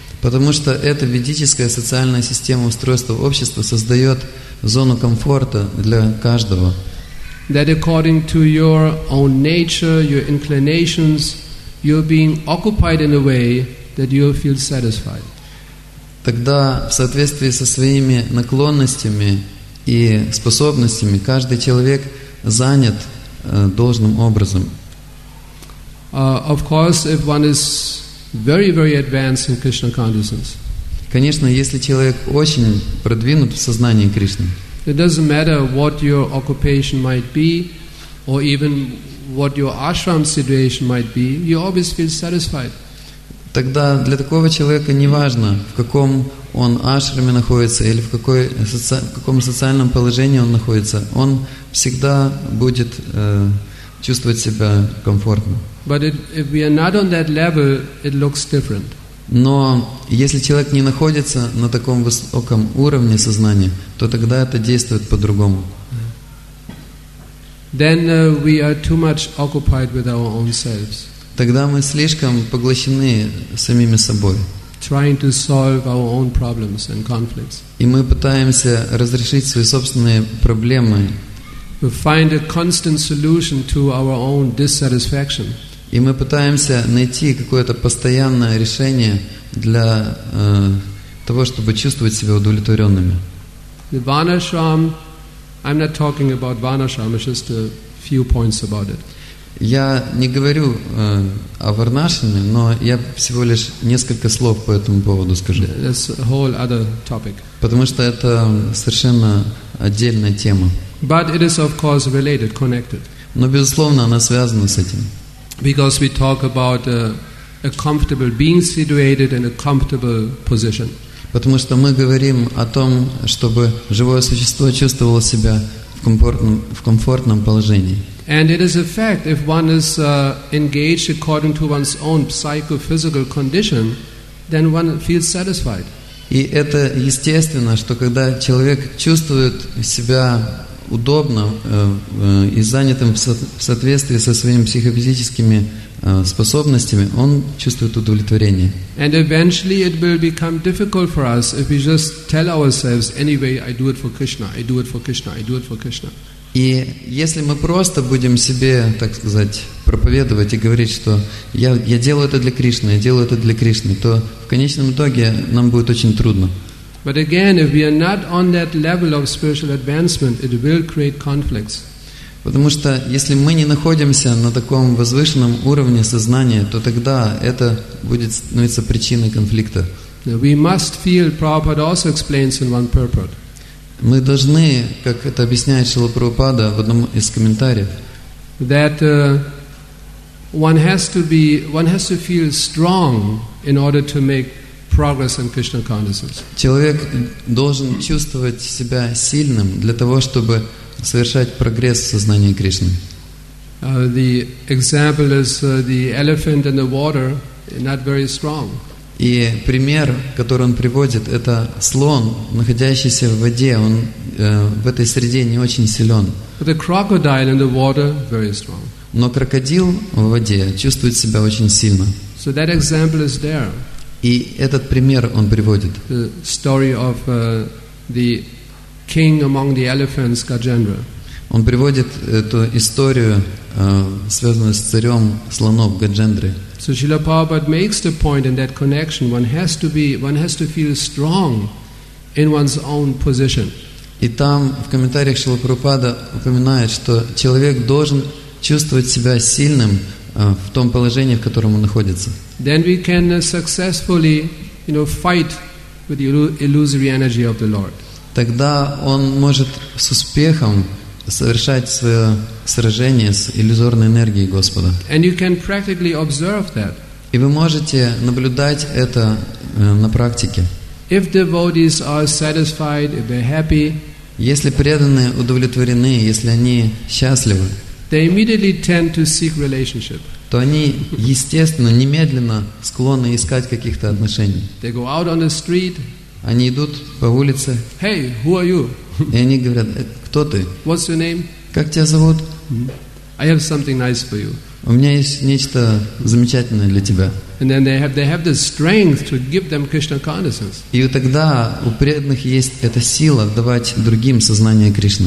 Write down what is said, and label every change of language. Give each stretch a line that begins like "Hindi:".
Russian: Потому что эта ведическая социальная система устройства общества создает зону комфорта для каждого.
English: That according to your own nature, your inclinations, you're being occupied in a way that you feel satisfied.
Russian: Тогда в соответствии со своими наклонностями и способностями каждый человек занят должным образом.
English: Of course, if one is very, very advanced in Krishna consciousness.
Russian: Конечно, если человек очень продвинут в сознании Кришны.
English: It doesn't matter what your occupation might be, or even what your ashram situation might be. You always feel satisfied.
Russian: Тогда для такого человека не важно, в каком он ашраме находится или в каком социальном положении он находится. Он всегда будет чувствовать себя комфортно.
English: But if we are not on that level, it looks different.
Russian: Но если человек не находится на таком высоком уровне сознания, то тогда это действует по-другому.
English: Then we are too much occupied with our own selves.
Russian: Тогда мы слишком поглощены самими собой.
English: Trying to solve our own problems and conflicts.
Russian: И мы пытаемся разрешить свои собственные проблемы.
English: We find a constant solution to our own dissatisfaction.
Russian: И мы пытаемся найти какое-то постоянное решение для того, чтобы чувствовать себя удовлетворенными.
English: Vanashram, I'm not talking about Vanashram, it's just a few points about it.
Russian: Я не говорю о Варнашраме, но я всего лишь несколько слов по этому поводу скажу.
English: That's a whole other topic.
Russian: Потому что это совершенно отдельная тема.
English: But it is of course related, connected.
Russian: Но безусловно, она связана с этим.
English: Because we talk about a comfortable being situated in a comfortable position.
Russian: Потому что мы говорим о том, чтобы живое существо чувствовало себя в комфортном положении.
English: And it is a fact if one is engaged according to one's own psychophysical condition, then one feels satisfied.
Russian: И это естественно, что когда человек чувствует себя удобно и занятым в соответствии со своими психофизическими способностями, он чувствует удовлетворение.
English: And eventually it will become difficult for us if we just tell ourselves, anyway, I do it for Krishna, I do it for Krishna, I do it for Krishna.
Russian: И если мы просто будем себе, так сказать, проповедовать и говорить, что я делаю это для Кришны, я делаю это для Кришны, то в конечном итоге нам будет очень трудно.
English: But again, if we are not on that level of spiritual advancement, it will create conflicts.
Russian: Потому что если мы не находимся на таком возвышенном уровне сознания, то тогда это будет становиться причиной конфликта.
English: We must feel, Prabhupada also explains in one purport.
Russian: Мы должны, как это объясняет Шрила Прабхупада в одном из комментариев,
English: that one has to feel strong in order to make progress in Krishna consciousness.
Russian: Человек должен чувствовать себя сильным для того, чтобы совершать прогресс в сознании Кришны.
English: The example is the elephant in the water, not very strong.
Russian: И пример, который он приводит, это слон, находящийся в воде. Он в этой среде не очень силен.
English: But the crocodile in the water, very strong.
Russian: Но крокодил в воде чувствует себя очень сильно.
English: So that example is there.
Russian: И этот пример он приводит.
English: The story of the king among the elephants, Gajendra.
Russian: Он приводит эту историю, связанную с царем слонов Гаджендры.
English: So Srila Prabhupada makes the point in that connection, one has to feel strong in one's own position.
Russian: И там в комментариях Шрила Прабхупада упоминает, что человек должен чувствовать себя сильным в том положении, в котором он находится.
English: Then we can successfully, you know, fight with the illusory energy of the Lord.
Russian: Тогда он может с успехом совершать свое сражение с иллюзорной энергией Господа.
English: And you can practically observe that.
Russian: И вы можете наблюдать это на практике.
English: If devotees are satisfied, if they're happy,
Russian: если преданные удовлетворены, если они счастливы,
English: they immediately tend to seek relationship.
Russian: То они, естественно, немедленно склонны искать каких-то отношений.
English: They go out on the street.
Russian: Они идут по улице.
English: Hey, who are you?
Russian: И они говорят, кто ты?
English: What's your name?
Russian: Как тебя зовут?
English: I have something nice for you.
Russian: У меня есть нечто замечательное для тебя.
English: And then they have the strength to give them Krishna consciousness.
Russian: И тогда у преданных есть эта сила давать другим сознание Кришны.